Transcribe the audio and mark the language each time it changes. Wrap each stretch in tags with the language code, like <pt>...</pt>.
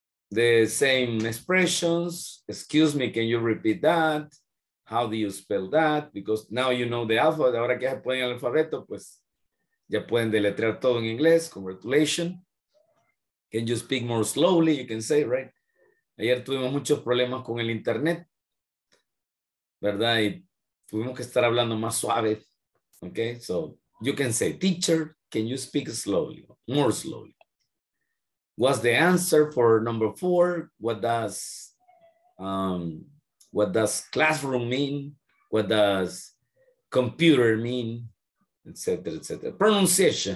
<en>The same expressions, excuse me, can you repeat that? How do you spell that? Because now you know the alphabet,</en> <es>ahora que ya pueden el alfabeto, pues ya pueden deletrear todo en inglés,</es> <en>congratulations. Can you speak more slowly, you can say, right?</en> <es>Ayer tuvimos muchos problemas con el internet, ¿verdad? Y tuvimos que estar hablando más suave, okay?</es> <en>So you can say, teacher, can you speak slowly, more slowly? What's the answer for number four? What does What does classroom mean? What does computer mean? Etc., etc. Pronunciation.</en>